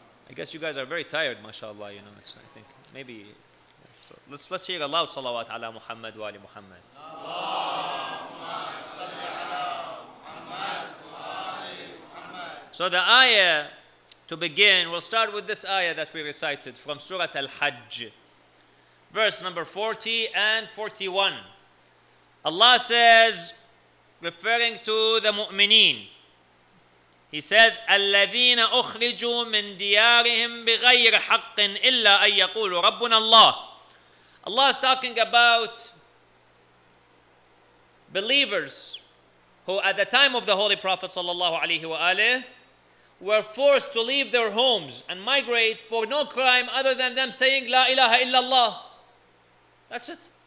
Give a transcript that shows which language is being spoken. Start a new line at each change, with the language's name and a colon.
English: I guess you guys are very tired, mashallah, you know, so I think maybe, so let's hear Allah salawat ala Muhammad wa ali Muhammad. So the ayah to begin, we'll start with this ayah that we recited from Surah Al-Hajj. Verse number 40 and 41. Allah says, referring to the mu'mineen, He says,
Arabic: الَّذِينَ أُخْرِجُوا مِنْ دِيَارِهِمْ بِغَيْرِ حَقٍّ إِلَّا أَنْ يَقُولُوا رَبُّنَ اللَّهِ.
English: Allah is talking about believers who at the time of the Holy Prophet sallallahu alayhi wa alayhi were forced to leave their homes and migrate for no crime other than them saying, La ilaha illallah. That's it.